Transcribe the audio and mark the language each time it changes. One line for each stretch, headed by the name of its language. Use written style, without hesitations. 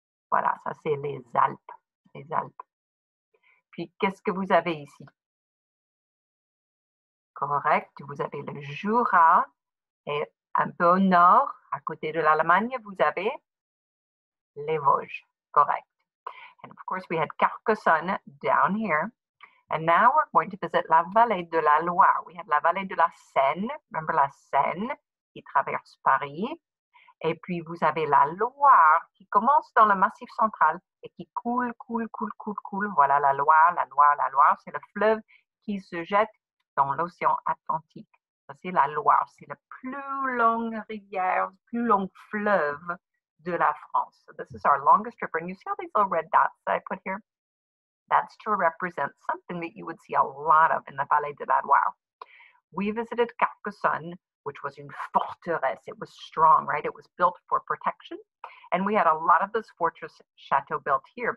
French: Voilà, ça c'est les Alpes. Les Alpes. Puis, qu'est-ce que vous avez ici? Correct, vous avez le Jura. Et un peu au nord, à côté de l'Allemagne, vous avez les Vosges. Correct.
English: And of course, we had Carcassonne down here. And now we're going to visit la Vallée de la Loire. We had la Vallée de la Seine. Remember
French: la Seine qui traverse Paris. Et puis, vous avez la Loire qui commence dans le Massif central et qui coule, coule, coule, coule, coule. Voilà la Loire, la Loire, la Loire. C'est le fleuve qui se jette dans l'océan Atlantique. Ça, c'est la Loire. C'est la plus longue rivière, plus long fleuve de la France.
English: So this is our longest river. And you see all these little red dots that I put here? That's to represent something that you would see a lot of in the Vallée de la Loire. We visited Carcassonne, which was
French: une forteresse.
English: It was strong, right? It was built for protection. And we had a lot of those fortress chateaux built here.